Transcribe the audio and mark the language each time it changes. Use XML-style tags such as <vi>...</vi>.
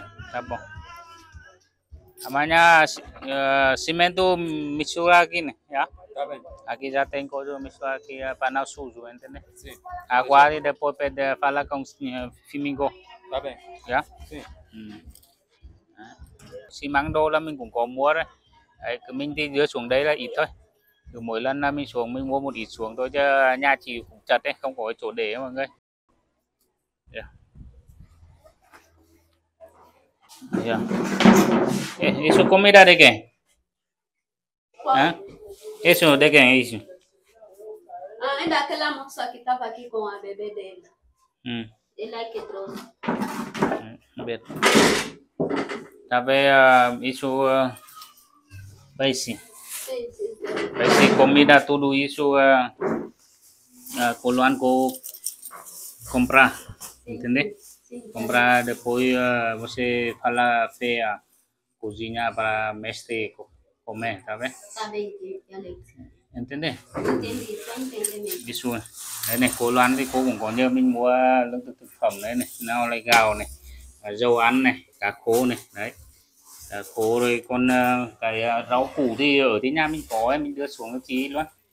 <pt>Tá bom. Amanhã, cimento mistura aqui, né? Já? Tá bem. Aqui já tem coisa mistura aqui, panal sujo, entende? Sim. Agora e depois pede falar com o Fimingo. Tá bem. Já? Sim.</pt> <vi>Xi măng đô là mình cũng có mua đấy. Đấy, cứ mình đi đưa xuống đây là ít thôi. Cứ mỗi lần là mình xuống mình mua một ít xuống thôi chứ nhà chỉ cũng chật đấy, không có chỗ để ấy, mọi người.</vi> <pt>Yeah. Yeah. Isso comida de quem? Qual? Isso de quem é isso? Ah, é daquela moça que estava aqui com a bebê dela. Ela é que trouxe. Tá bem, isso vai sim. Vai sim, comida, tudo isso com o Luan com comprar, entende? Comprar depois você fala pra cozinhar para mestre comer, tá bem? Tá bem, Alex. Entendeu? Entendi, só entendi mesmo. Isso, né?</pt> <vi>Cô Loan thì cô cũng có nhờ mình mua lương thực thực phẩm đấy này, nào là gạo này, dầu ăn này, cá khô này, đấy. Cá khô rồi còn cái rau củ thì ở thế nhà mình có, mình đưa xuống cho chị luôn.</vi>